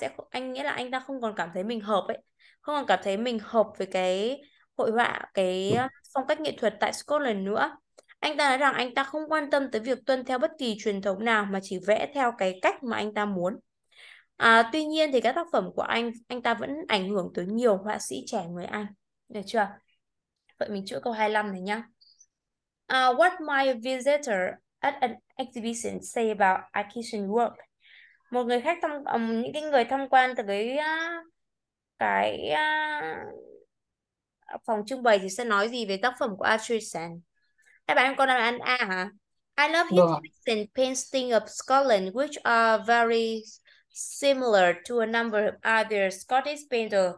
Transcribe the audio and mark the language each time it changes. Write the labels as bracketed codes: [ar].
[vi] Anh nghĩa là anh ta không còn cảm thấy mình hợp ấy, không còn cảm thấy mình hợp với cái hội họa, cái phong cách nghệ thuật tại Scotland nữa. Anh ta nói rằng anh ta không quan tâm tới việc tuân theo bất kỳ truyền thống nào mà chỉ vẽ theo cái cách mà anh ta muốn. Tuy nhiên thì các tác phẩm của anh ta vẫn ảnh hưởng tới nhiều họa sĩ trẻ người Anh. Được chưa? Vậy mình chữa câu 25 này nhá. [en] What might a visitor at an exhibition say about artisan work? [vi] Một người khách tham những cái người tham quan từ cái phòng trưng bày thì sẽ nói gì về tác phẩm của artisan? Các bạn có đáp án A hả? [en] I love his [vi] Được. [en] painting of Scotland, which are very similar to a number of other Scottish painters.